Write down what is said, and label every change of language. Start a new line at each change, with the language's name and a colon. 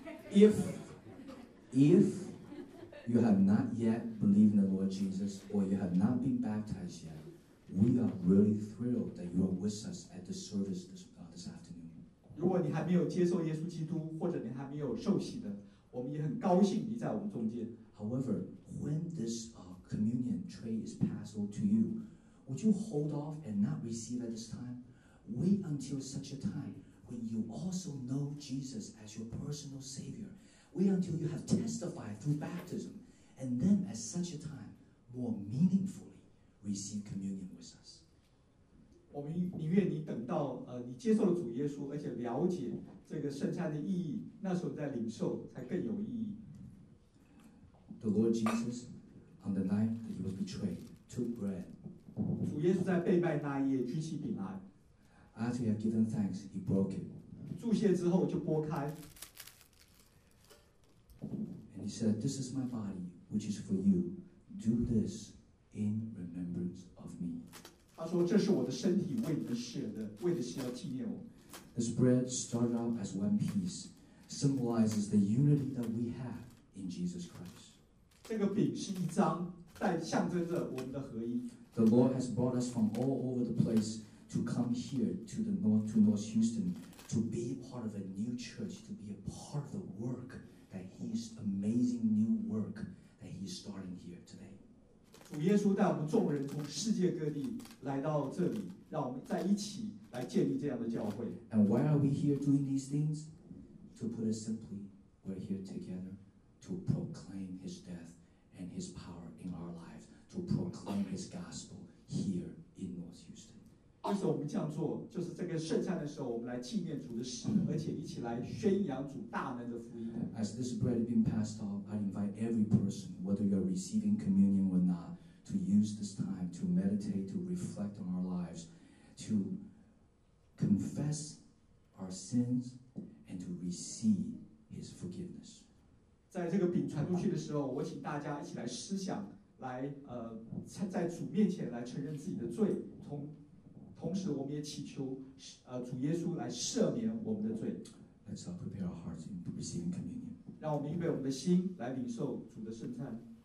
English: If You have not yet believed in the Lord Jesus, or you have not been baptized yet. We are really thrilled that you are with us at the service this afternoon.
Chinese: 如果你还没有接受耶稣基督，或者你还没有受洗的，我们也很高兴你在我们中间。
English: However, when this communion tray is passed over to you, would you hold off and not receive at this time? Wait until such a time when you also know Jesus as your personal Savior. Wait until you have testified through baptism, and then at such a time, more meaningfully, receive communion with us.
Chinese: 我们宁愿你等到你接受了主耶稣，而且了解这个圣餐的意义，那时候再领受才更有意义。
English: The Lord Jesus, on the night that he was betrayed, took bread.
Chinese: 主耶稣在被卖那一夜举起饼来。
English: After he had given thanks, he broke it.
Chinese: 祝谢之后就拨开。
English: And he said, "This is my body, which is for you. Do this in remembrance of me."
Chinese: 他说，这是我的身体，为你们舍的，为的是要纪念我。
English: This bread started out as one piece, symbolizes the unity that we have in Jesus Christ.
Chinese: 这个饼是一张，代象征着我们的合一。
English: The Lord has brought us from all over the place to come here to North Houston to be part of a new church, to be a part of the work. That His amazing new work that He's starting here today.
Chinese: 主耶稣带我们众人从世界各地来到这里，让我们在一起来建立这样的教会。
English: And why are we here doing these things? To put it simply, we're here together to proclaim His death and His power in our lives, to proclaim His gospel here in North Houston.
Chinese: 为什么我们这样做？就是这个圣餐的时候，我们来纪念主的死，而且一起来宣扬主大能的福音。
English: As this bread has been passed off, I invite every person, whether you are receiving communion or not, to use this time to to meditate, to reflect on our lives, to confess our sins, and to receive His forgiveness.
Chinese: 在这个饼传出去的时候，我请大家一起来思想，来在主面前来承认自己的罪，同时我们也祈求主耶稣来赦免我们的罪。
English: Let's all prepare our hearts in receiving communion.
Chinese: 让我们预备我们的心来领受主的圣餐。